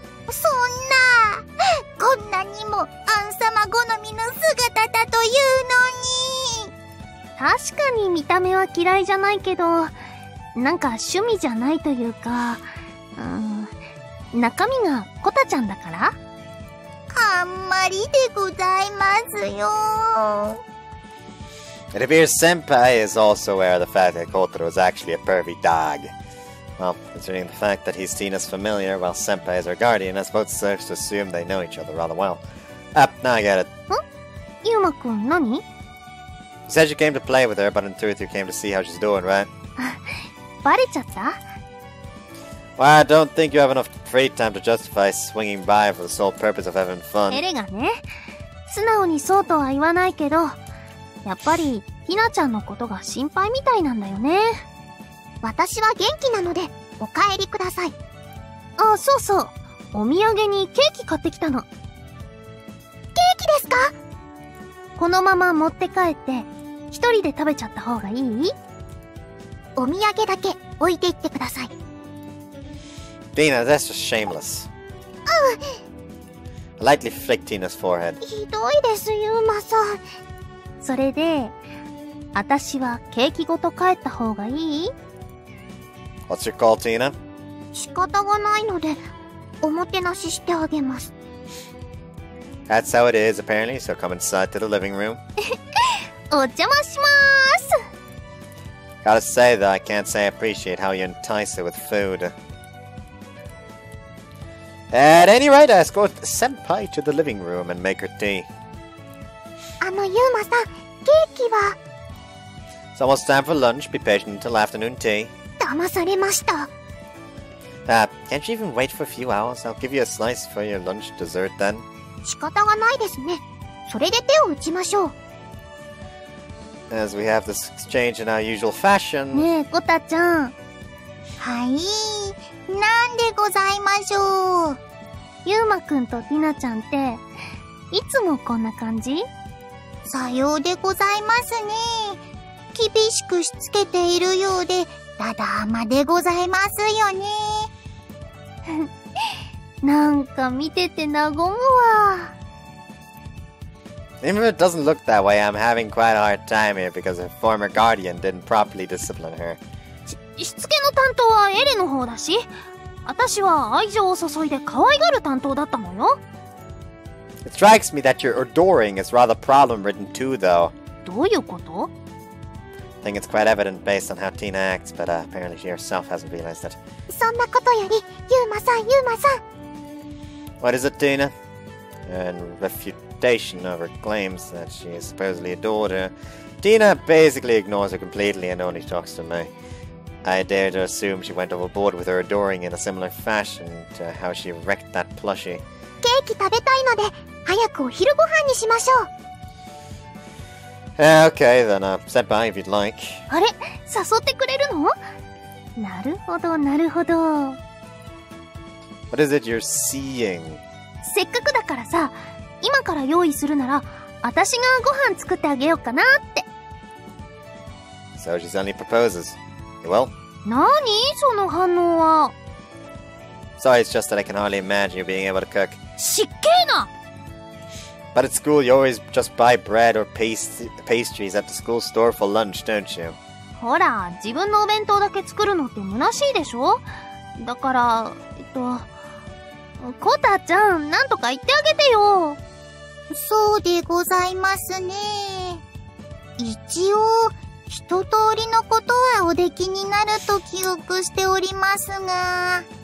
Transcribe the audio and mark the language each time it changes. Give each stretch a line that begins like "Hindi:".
Japanese: そんな、こんなにもアン様好みの姿だというのに。確かに見た目は嫌いじゃないけど、なんか趣味じゃないというか、中身がコタちゃんだから。あんまりでございますよ。
English: It appears Senpai is also aware of the fact that Kotaro is actually a pervy dog. Well, considering the fact that he's Tina's familiar while Senpai is her guardian, I suppose serves to assume they know each other rather well. Now I get it. Huh? Yuma-kun, what? You said you came to play with her, but in truth you came to see how she's doing, right? Barichata? Well, I don't think you have enough free time to justify swinging by for the sole purpose of having fun. Ere-ga-ne?
Japanese: 素直にそうとは言わないけど、やっぱり、ひなちゃんのことが心配みたいなんだよね。私は元気なので、お帰りください。あ、そうそう。お土産にケーキ買ってきたの。ケーキですか？このまま持って帰って、一人で食べちゃった方がいい？お土産だけ置いていってください。
English: Tina, that's just shameless.
Japanese: うん。
English: I lightly flick Tina's forehead.
Japanese: ひどいです、ユーマさん。それで、私はケーキごと帰った方がいい？
English: What's your call, Tina?
Japanese: 仕方がないので、おもてなししてあげます。
English: That's how it is, apparently, so come inside to the living room.
Japanese: お邪魔します。
English: Gotta say, though, I can't say I appreciate how you entice her with food. At any rate, I escort Senpai to the living room and make her tea.
Japanese: ユーマさん、ケーキは。
English: It's almost time for lunch. Be patient until afternoon tea.
Japanese: 騙されました。
English: Can't you even wait for a few hours? I'll give you a slice for your lunch dessert then.
Japanese: 仕方がないですね。それで手を打ちましょう。
English: As we have this exchange in our usual fashion.
Japanese: ねえ、コタちゃん。はい。なんでございましょう。ユーマくんとティナちゃんって、いつもこんな感じ？さようでございますね。厳しくしつけているようで、だだ甘でございますよね。なんか見てて和むわ。
English: Even if it doesn't look that way, I'm having quite a hard time here because her former guardian didn't properly discipline her.
Japanese: しつけの担当はエレの方だし、私は愛情を注いで可愛がる担当だったのよ。
English: It strikes me that your adoring is rather problem ridden too, though.
Japanese: どういうこと?
English: I think it's quite evident based on how Tina acts, but apparently she herself hasn't realized it.
Japanese: そんなことより、ユーマさん、ユーマさん!
English: What is it, Tina? In refutation of her claims that she is supposedly adored her, Tina basically ignores her completely and only talks to me. I dare to assume she went overboard with her adoring in a similar fashion to how she wrecked that plushie.
Japanese: ケーキ食べたいので、早くお昼ご飯にしましょう。
English: Okay, then, senpai, if you'd like.
Japanese: あれ、誘ってくれるの？なるほど、なるほど。
English: What is it you're seeing?
Japanese: せっかくだからさ、今から用意するなら、私がご飯作ってあげようかなって。
English: So she suddenly proposes. Well?
Japanese: 何その反応は。
English: Sorry, it's just that I can hardly imagine you being able to cook.
Japanese: しっけーな。
English: But at school, you always just buy bread or pastries at the school store for lunch, don't you?
Japanese: ほら、自分のお弁当だけ作るのって虚しいでしょ。だから、コタちゃん、なんとか言ってあげてよ。そうでございますね。一応、一通りのことはお出来になると記憶しておりますが。